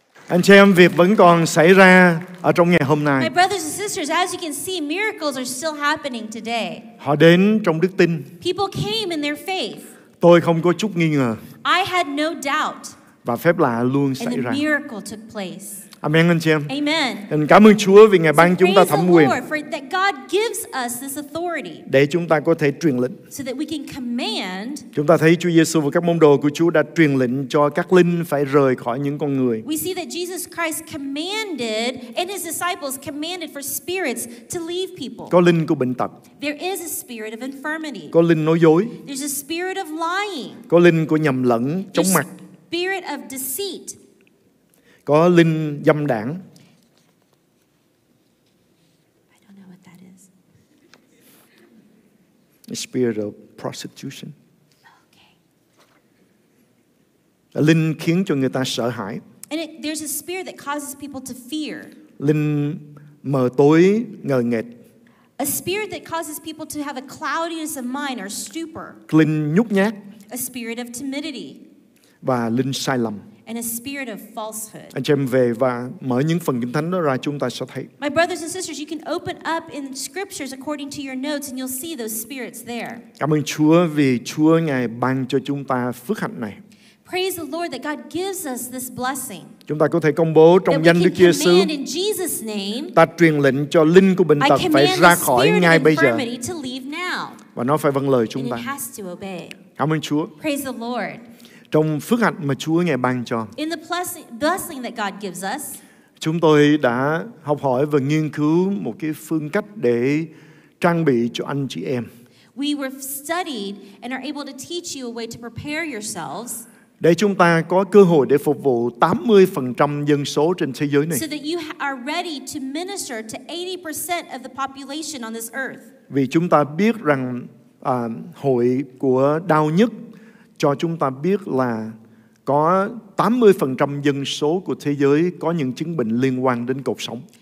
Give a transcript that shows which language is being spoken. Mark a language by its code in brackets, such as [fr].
[vi] Anh chị em, việc vẫn còn xảy ra ở trong ngày hôm nay. [en] My brothers and sisters, as you can see, miracles are still happening today. [vi] Họ đến trong đức tin. [en] People came in their faith. [vi] Tôi không có chút nghi ngờ. [en] I had no doubt. [vi] Và phép lạ luôn xảy [en] and the [vi] ra. [en] Miracle took place. [vi] Amen, anh chị em. [en] Amen. [vi] Mình cảm ơn Chúa vì Ngài ban chúng ta thẩm quyền. [en] Praise the Lord for that God gives us this authority. [vi] Để chúng ta có thể truyền lệnh. [en] So that we can command. [vi] Chúng ta thấy Chúa Giêsu và các môn đồ của Chúa đã truyền lệnh cho các linh phải rời khỏi những con người. [en] We see that Jesus Christ commanded and his disciples commanded for spirits to leave people. [vi] Có linh của bệnh tật. [en] There is a spirit of infirmity. [vi] Có linh nói dối. [en] There's a spirit of lying. [vi] Có linh của nhầm lẫn, chống mặt. [en] There's a spirit of deceit. [vi] Có linh dâm đảng. [en] I don't know what that is. The spirit of prostitution. Okay. [vi] Linh khiến cho người ta sợ hãi. [en] And it, there's a spirit that causes people to fear. [vi] Linh mờ tối, ngờ nghệt. [en] A spirit that causes people to have a cloudiness of mind or stupor. [vi] Linh nhút nhát. [en] A spirit of timidity. [vi] Và linh sai lầm. [en] And a spirit of falsehood. [vi] Anh chị em về và mở những phần kinh thánh đó ra, chúng ta sẽ thấy. [en] My brothers and sisters, you can open up in scriptures according to your notes, and you'll see those spirits there. [vi] Cảm ơn Chúa vì Chúa Ngài ban cho chúng ta phước hạnh này. [en] Praise the Lord that God gives us this blessing. [vi] Chúng ta có thể công bố trong danh Đức Giêsu. Ta truyền lệnh cho linh của bệnh tật phải ra khỏi ngay bây giờ. Và nó phải vâng lời chúng ta. Cảm ơn Chúa. [en] Praise the Lord. [vi] Trong phước hạnh mà Chúa Ngài ban cho, [en] in the blessing that God gives us, [vi] chúng tôi đã học hỏi và nghiên cứu một cái phương cách để trang bị cho anh chị em. [en] We were studied and are able to teach you a way to prepare yourselves. [vi] Để chúng ta có cơ hội để phục vụ 80% dân số trên thế giới này. [en] So that you are ready to minister to 80% of the population on this earth. [vi] Vì chúng ta biết rằng hội của đau nhất cho chúng ta biết là có 80% dân số của thế giới có những chứng bệnh liên quan đến cột sống.